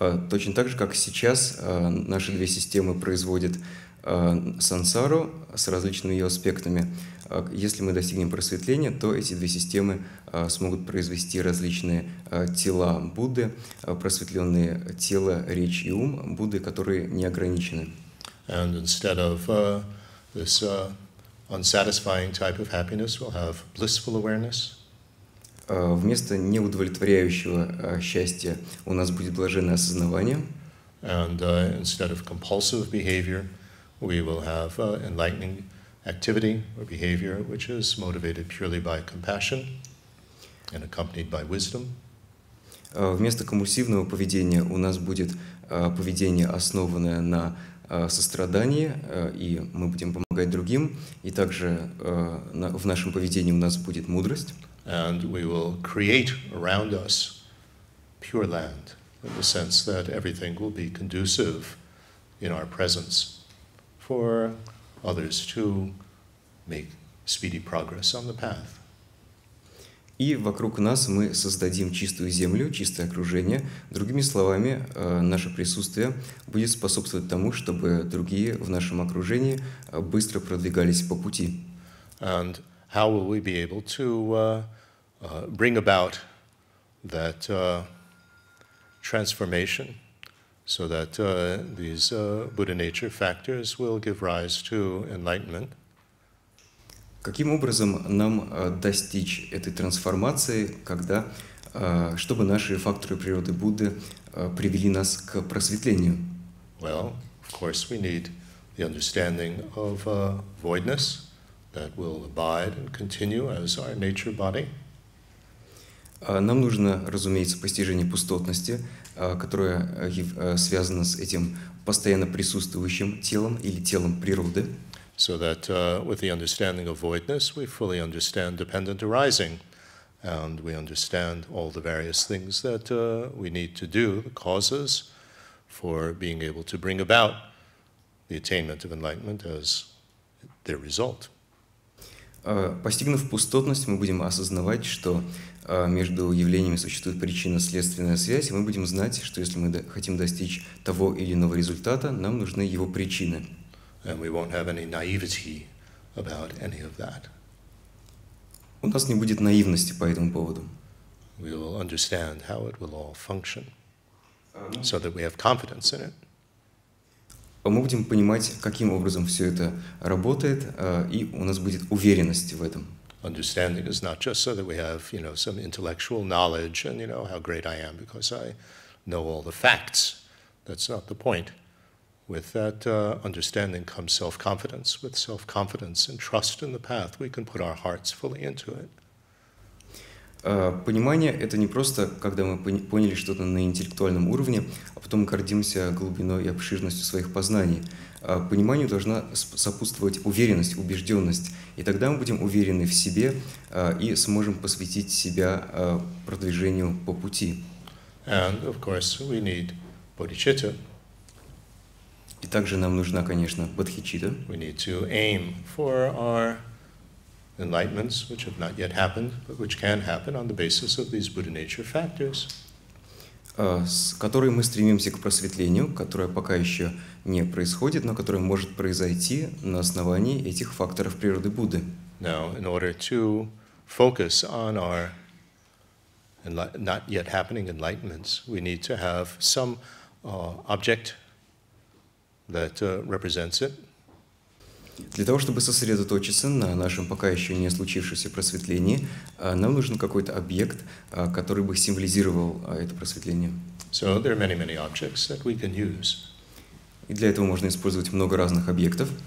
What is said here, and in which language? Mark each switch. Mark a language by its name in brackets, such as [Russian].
[Russian] Точно так же, как сейчас наши две системы производят сансару с различными ее аспектами. Если мы достигнем просветления, то эти две системы смогут произвести различные тела Будды, просветленные тело, речь и ум Будды, которые не ограничены. [English] And instead of this unsatisfying type of happiness, we'll have blissful awareness. [Russian] Вместо неудовлетворяющего счастья у нас будет блаженное осознавание. [English] And instead of compulsive behavior, we will have enlightening activity or behavior, which is motivated purely by compassion and accompanied by wisdom. [Russian] Вместо компульсивного поведения у нас будет поведение, основанное на сострадание, и мы будем помогать другим, и также в нашем поведении у нас будет мудрость. [English] And we will create around us pure land, in the sense that everything will be conducive in our presence for others to make speedy progress on the path. [Russian] И вокруг нас мы создадим чистую землю, чистое окружение. Другими словами, наше присутствие будет способствовать тому, чтобы другие в нашем окружении быстро продвигались по пути. [English] And how will we be able to bring about that transformation so that these Buddha nature factors will give rise to enlightenment? [Russian] Каким образом нам достичь этой трансформации, когда, чтобы наши факторы природы Будды привели нас к просветлению? [English] Well, of course, we need the understanding of voidness, that will abide and continue as our nature body. [Russian] Нам нужно, разумеется, постижение пустотности, которое связано с этим постоянно присутствующим телом или телом природы. [English] So that with the understanding of voidness, we fully understand dependent arising, and we understand all the various things that we need to do, the causes for being able to bring about the attainment of enlightenment as their result. [Russian] Постигнув пустотность, мы будем осознавать, что между явлениями существует причинно-следственная связь, и мы будем знать, что если мы хотим достичь того или иного результата, нам нужны его причины. [English] And we won't have any naivety about any of that. [Russian] У нас не будет наивности по этому поводу. [English] We will understand how it will all function, so that we have confidence in it. [Russian] Мы будем понимать, каким образом все это работает, и у нас будет уверенность в этом. [English] Understanding is not just so that we have, you know, some intellectual knowledge and, you know, how great I am because I know all the facts. That's not the point. With that understanding comes self-confidence. With self-confidence and trust in the path, we can put our hearts fully into it. [Russian] Понимание — это не просто, когда мы поняли что-то на интеллектуальном уровне, а потом гордимся глубиной и обширностью своих познаний. Пониманию должна сопутствовать уверенность, убежденность. И тогда мы будем уверены в себе и сможем посвятить себя продвижению по пути. [English] And, of course, we need bodhicitta. [Russian] И также нам нужна, конечно, бодхичитта. [English] We need to aim for our enlightenments, which have not yet happened, but which can happen on the basis of these Buddha nature factors. [Russian] С которой мы стремимся к просветлению, которое пока еще не происходит, но которое может произойти на основании этих факторов природы Будды. [English] Now, in order to focus on our not yet happening enlightenments, we need to have some object that represents it. [Russian] Для того, чтобы сосредоточиться на нашем пока еще не случившемся просветлении, нам нужен какой-то объект, который бы символизировал это просветление. [English] So there are many, many objects that we can use. [Russian] И для этого можно использовать много разных объектов.